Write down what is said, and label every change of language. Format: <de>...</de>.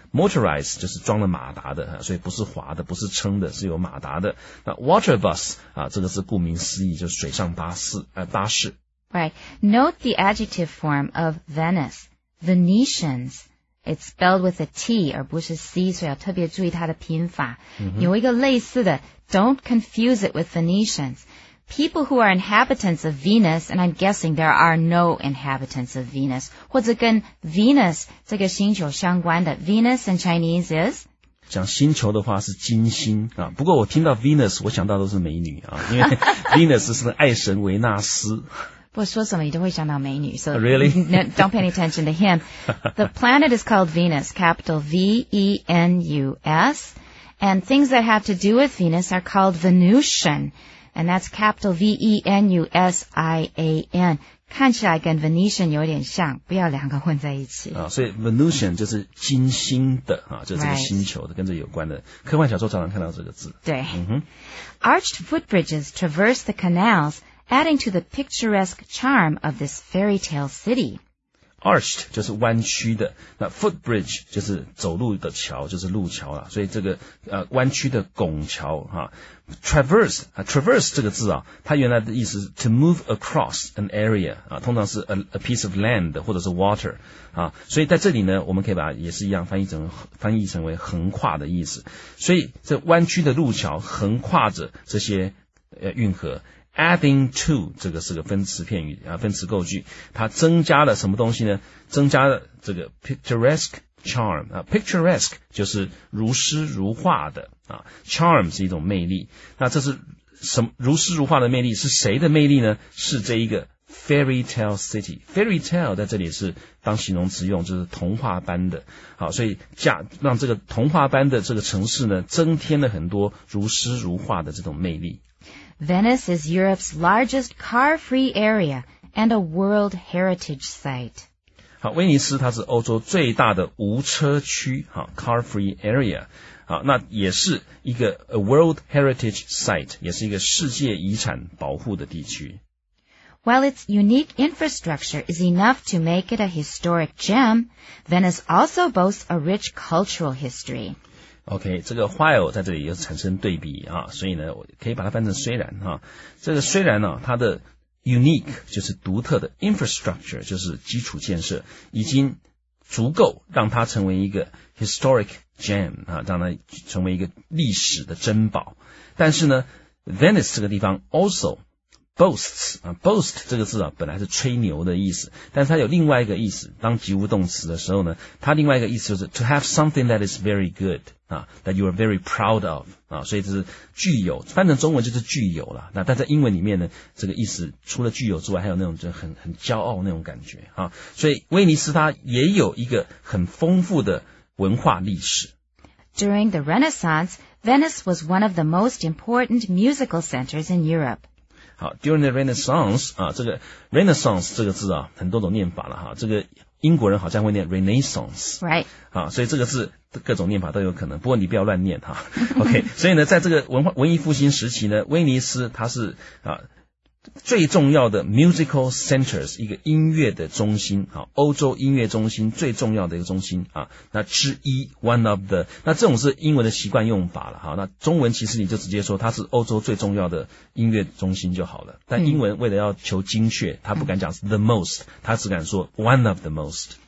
<zh>Motorized 就是装了马达的，所以不是滑的，不是撑的，是有马达的。那 water bus 啊，这个是顾名思义，就是水上巴士。</zh> <en>Right. Note the adjective form of Venice, Venetians. It's spelled with a T,</en> <zh>而不是 C, 所以要特别注意它的拼法。 Mm-hmm. 有一个类似的 ,</zh> <en>don't confuse it with Venetians. People who are inhabitants of Venus, and I'm guessing there are no inhabitants of Venus,</en> <zh>或者跟 Venus 这个星球相关的</zh> <en>,Venus in Chinese is...</en> <zh>讲星球的话是金星啊，不过我听到 Venus, 我想到都是美女啊，因为Venus 是爱神维纳斯。不说什么你都会想到美女 so</zh> <en>Really? No, don't pay any attention to him. The planet is called Venus, capital V-E-N-U-S. And things that have to do with Venus are called Venusian. And that's capital V-E-N-U-S-I-A-N.</en> <zh>看起来跟 Venetian 有点像，不要两个混在一起。所以 Venusian 就是金星的，就是这个星球的，跟这有关的。科幻小说常常看到这个字。对。嗯、</zh> <en>Arched footbridges traverse the canals,Adding to the picturesque charm of this fairy tale city.</en> <zh>arched 就是弯曲的，那 footbridge 就是走路的桥，就是路桥啦，所以这个弯曲的拱桥哈。 traverse 这个字啊，它原来的意思是</zh> <en>to move across an area</en> <zh>啊，通常是</zh> <en>a piece of land</en> <zh>或者是 water 啊，所以在这里呢，我们可以把也是一样翻译成为横跨的意思，所以这弯曲的路桥横跨着这些运河。</zh> <en>Adding to</en> <zh>这个是个分词片语啊，分词构句，它增加了什么东西呢？增加了这个</zh> <en>picturesque charm</en> <zh>啊 ，picturesque 就是如诗如画的啊 ，charm 是一种魅力。那这是什么？如诗如画的魅力是谁的魅力呢？是这一个</zh> <en>fairy tale city。</en> <zh>fairy tale 在这里是当形容词用，就是童话般的。好，所以让这个童话般的这个城市呢，增添了很多如诗如画的这种魅力。</zh> <en>Venice is Europe's largest car-free area and a World Heritage Site.</en> <zh>好，威尼斯它是欧洲最大的无车区，好 ，</zh> <en>car-free area，</en> <zh>好，那也是一个</zh> <en>a World Heritage Site，</en> <zh>也是一个世界遗产保护的地区。</zh> <en>While its unique infrastructure is enough to make it a historic gem, Venice also boasts a rich cultural history.</en> <zh>OK， 这个 while 在这里又产生对比啊，所以呢，我可以把它翻成虽然啊。这个虽然呢、啊，它的 unique 就是独特的 infrastructure 就是基础建设，已经足够让它成为一个</zh> <en>historic gem</en> <zh>啊，让它成为一个历史的珍宝。但是呢 ，Venice 这个地方</zh> <en>also boasts</en> <zh>啊 ，boast 这个字啊，本来是吹牛的意思，但是它有另外一个意思，当及物动词的时候呢，它另外一个意思就是</zh> <en>to have something that is very good。 That you are very proud of,</en> <zh>所以这是具有翻成中文就是具有啦但在英文里面呢这个意思除了具有之外还有那种就很骄傲那种感觉所以威尼斯它也有一个很丰富的文化历史。</zh> <en>During the Renaissance, Venice was one of the most important musical centers in Europe.</en> <zh>好 ,</zh> <en>during the Renaissance,</en> <zh>这个 Renaissance 这个字很多种念法了这个英国人好像会念 Renaissance.</zh> <en>Right.</en> <zh>所以这个字各种念法都有可能不过你不要乱念OK, 所以呢在这个文艺复兴时期呢威尼斯它是最重要的</zh> <en>musical centers,</en> <zh>一个音乐的中心欧洲音乐中心最重要的一个中心那之一 ,</zh> <en>one of the,</en> <zh>那这种是英文的习惯用法了那中文其实你就直接说它是欧洲最重要的音乐中心就好了但英文为了要求精确它不敢讲</zh> <en>the most,</en> <zh>它只敢说</zh> <en>one of the most。</en>